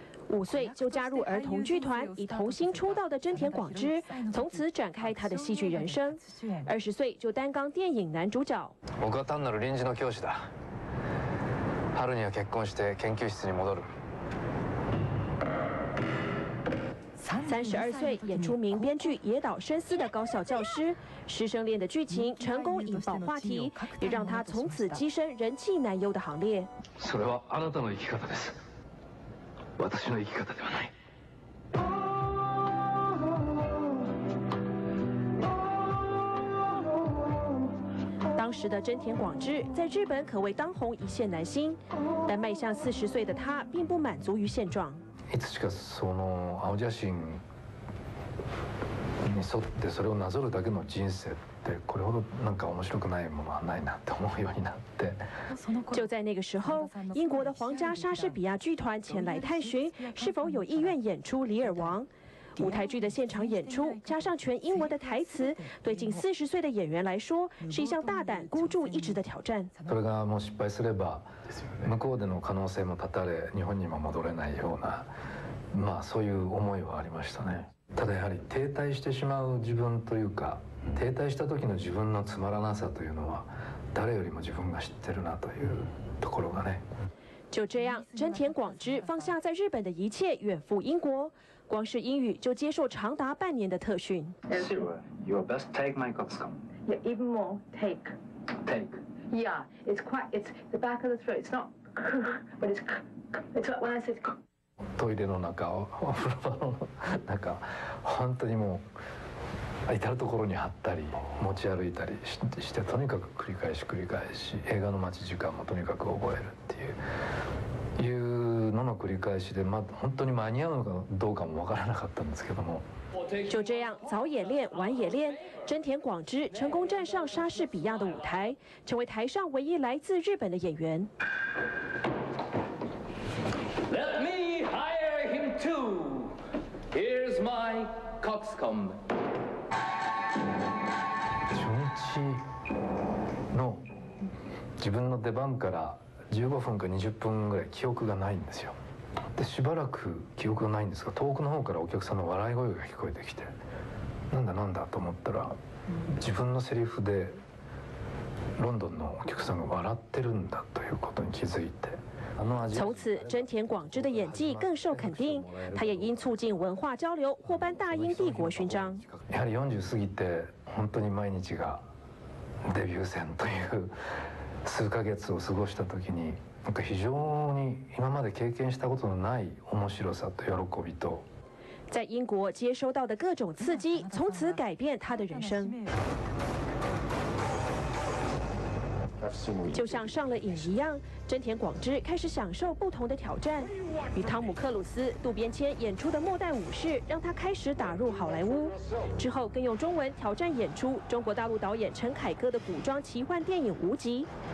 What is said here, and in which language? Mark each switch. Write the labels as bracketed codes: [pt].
[zh] 5岁就加入儿童剧团，以童星出道的真田广之从此展开他的戏剧人生。 20岁就担纲电影男主角。 [ja] 僕は単なる臨時の教師だ。春には結婚して研究室に戻る。 [zh] 32岁演出名编剧野岛伸司的高校教师，师生恋的剧情成功引爆话题，也让他从此跻身人气男优的行列。 [ja] それはあなたの生き方です。私の生き方ではない。 [zh] 当时的真田广之在日本可谓当红一线男星，但迈向40岁的他并不满足于现状。 [ja] いつしかその青写真に沿ってそれをなぞるだけの人生ってこれほどなんか面白くないものはないなって思うようになって。 [zh] 就在那个时候，英国的皇家莎士比亚剧团前来探寻是否有意愿演出《李尔王》。舞台剧的现场演出加上全英文的台词，对近40岁的演员来说是一项大胆孤注一掷的挑战。 [ja] それがもう失敗すれば向こうでの可能性も絶たれ、日本にも戻れないような、まあそういう思いはありましたね。ただやはり停滞してしまう自分というか、停滞した時の自分のつまらなさというのは誰よりも自分が知ってるなというところがね。 [zh] 就这样，真田广之放下在日本的一切，远赴英国。光是英语就接受长达半年的特训。 [en] Sure, you are best take my coxcomb. Yeah, even more take. Take. Yeah, it's quite, it's the back of the throat. It's not, but it's, it's like when I said. [ja] トイレの中、お風呂場の中、本当にもう至る所に貼ったり、持ち歩いたりして、とにかく繰り返し繰り返し、映画の待ち時間もとにかく覚えるっていう。の繰り返しで、まあ、本当に間に合うのかどうかも分からなかったんですけども。 [zh] 就这样早也练晚也练，真田广之成功站上莎士比亚的舞台，成为台上唯一来自日本的演员。 [en] Let me hire him too. Here's my coxcomb. [ja] 初日の自分の出番から15分か20分ぐらい記憶がないんですよ。でしばらく記憶がないんですが、遠くの方からお客さんの笑い声が聞こえてきて、なんだなんだと思ったら、自分のセリフでロンドンのお客さんが笑ってるんだということに気づいて。 [zh] 从此真田广之的演技更受肯定，他也因促进文化交流获颁大英帝国勋章。 [ja] やはり40過ぎて本当に毎日がデビュー戦という数ヶ月を過ごした時に、なんか非常に今まで経験したことのない面白さと喜びと。 [zh] 在英国接收到的各种刺激从此改变他的人生。就像上了瘾一样，真田广之开始享受不同的挑战。与汤姆·克鲁斯、渡边谦演出的《末代武士》让他开始打入好莱坞，之后更用中文挑战演出中国大陆导演陈凯歌的古装奇幻电影《无极》。